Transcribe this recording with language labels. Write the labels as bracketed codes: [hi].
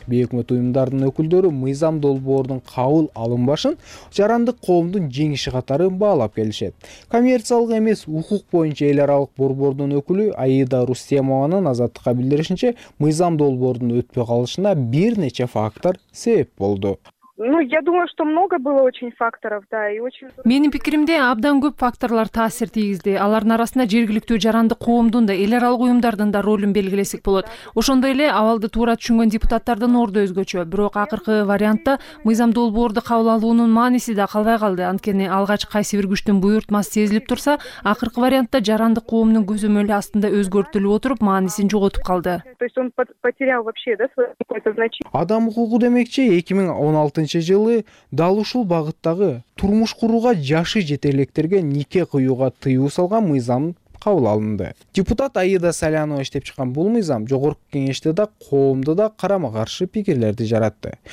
[ky] Бейөкмөт уюмдардын өкүлдөрү мыйзам долбоордун кабыл алынбашын жарандык коомдун жеңиши катары баалап келишет. Коммерциялык эмес укук боюнча эл аралык борбордун өкүлү Аида Рустемованын Азаттыкка билдиришинче, мыйзам долбоордун өтпөй калышына бир нече фактор себеп болду. [ru] Ну, я думаю, что много было очень факторов, да, и очень... [ky] Менин пикиримде абдан көп факторлор таасир тийгизди. Алардын арасында жергиликтүү жарандык коомдун да, эл аралык уюмдардын да ролун белгилесек болот. Ошондой эле абалды туура түшүнгөн депутаттардын орду өзгөчө. Бирок акыркы вариантта мыйзам долбоорду кабыл алуунун мааниси да калбай калды. Анткени алгач кайсы бир күчтүн буйрутмасы сезилип турса, акыркы вариантта жарандык коомдун көзөмөлү астында өзгөртүлүп отуруп, маанисин жоготуп калды. [ru] То есть он потерял вообще, да, свой какой-то значение. [ky] Адам укугу демекчи 2016 жылы дал ушул багыттагы турмуш курууга жашы жетерлектерге нике кыюуга тыюу салган мыйзам кабыл алынды. Депутат Аида Салянова иштеп чыккан бул мыйзам жогорку кеңеште да коомдо да карама каршы пикирлерди жаратты.